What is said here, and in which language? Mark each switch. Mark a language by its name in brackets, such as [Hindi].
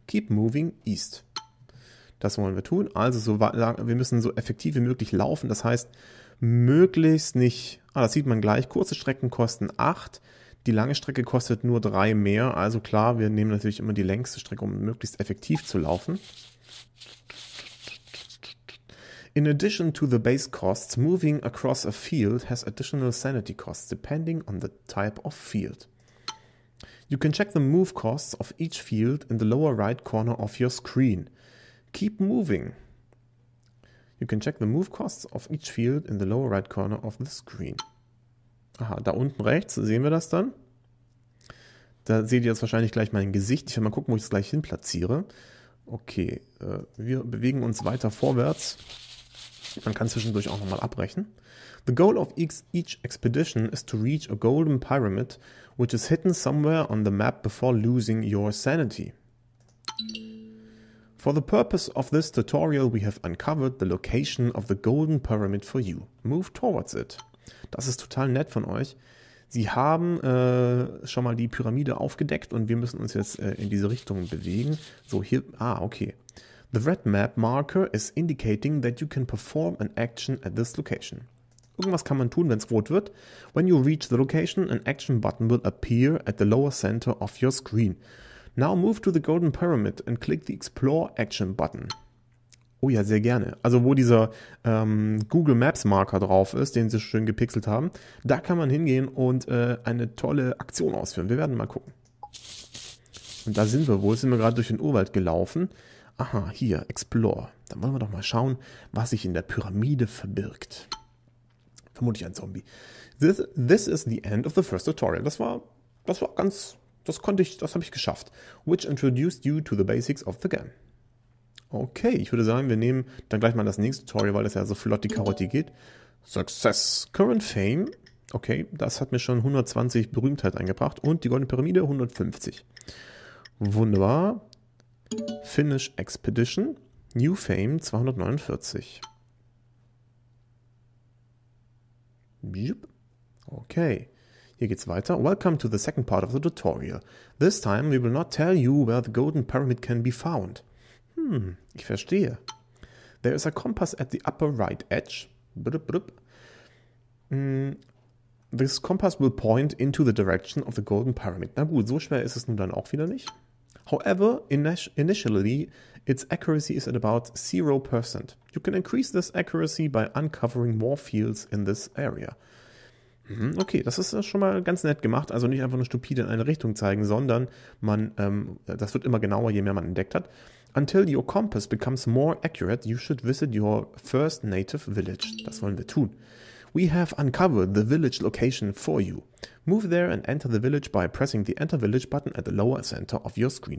[English] Keep moving east. [German] Das wollen wir tun. Also so, wir müssen so effektiv wie möglich laufen. Das heißt, möglichst nicht... Ah, das sieht man gleich. Kurze Strecken kosten 8. Die lange Strecke kostet nur 3 mehr. Also klar, wir nehmen natürlich immer die längste Strecke, um möglichst effektiv zu laufen. [English] In addition to the base costs, moving across a field has additional sanity costs, depending on the type of field. You can check the move costs of each field in the lower right corner of your screen. Keep moving. You can check the move costs of each field in the lower right corner of the screen. [German] Aha, da unten rechts sehen wir das dann. Da seht ihr jetzt wahrscheinlich gleich mein Gesicht. Ich werde mal gucken, wo ich es gleich hin platziere. Okay, wir bewegen uns weiter vorwärts. Man kann zwischendurch auch nochmal abbrechen. [English] The goal of each expedition is to reach a golden pyramid, which is hidden somewhere on the map before losing your sanity. For the purpose of this tutorial, we have uncovered the location of the golden pyramid for you. Move towards it. [German] Das ist total nett von euch. Sie haben schon mal die Pyramide aufgedeckt und wir müssen uns jetzt in diese Richtung bewegen. So, hier, ah, okay. [English] The red map marker is indicating that you can perform an action at this location. [German] Irgendwas kann man tun, wenn es rot wird. [English] When you reach the location, an action button will appear at the lower center of your screen. Now move to the golden pyramid and click the explore action button. [German] Oh ja, sehr gerne. Also wo dieser Google Maps Marker drauf ist, den sie schön gepixelt haben, da kann man hingehen und eine tolle Aktion ausführen. Wir werden mal gucken. Und da sind wir wohl. Sind wir gerade durch den Urwald gelaufen. Aha, hier, explore. Dann wollen wir doch mal schauen, was sich in der Pyramide verbirgt. Vermutlich ein Zombie. [English] This is the end of the first tutorial. [German] Das habe ich geschafft. [English] Which introduced you to the basics of the game. [German] Okay, ich würde sagen, wir nehmen dann gleich mal das nächste Tutorial, weil das ja so flott die Karotte geht. [English] Success. Current Fame. [German] Okay, das hat mir schon 120 Berühmtheit eingebracht. Und die Goldene Pyramide 150. Wunderbar. [English] Finish Expedition. New Fame 249. [German] Okay. Hier geht's weiter. [English] Welcome to the second part of the tutorial. This time we will not tell you where the golden pyramid can be found. [German] Hm, ich verstehe. [English] There is a compass at the upper right edge. This compass will point into the direction of the golden pyramid. [German] Na gut, so schwer ist es nun dann auch wieder nicht. [English] However, initially, its accuracy is at about 0%. You can increase this accuracy by uncovering more fields in this area. [German] Okay, das ist schon mal ganz nett gemacht. Also nicht einfach nur stupide in eine Richtung zeigen, sondern man, das wird immer genauer, je mehr man entdeckt hat. [English] Until your compass becomes more accurate, you should visit your first native village. [German] Das wollen wir tun. [English] We have uncovered the village location for you. Move there and enter the village by pressing the enter village button at the lower center of your screen.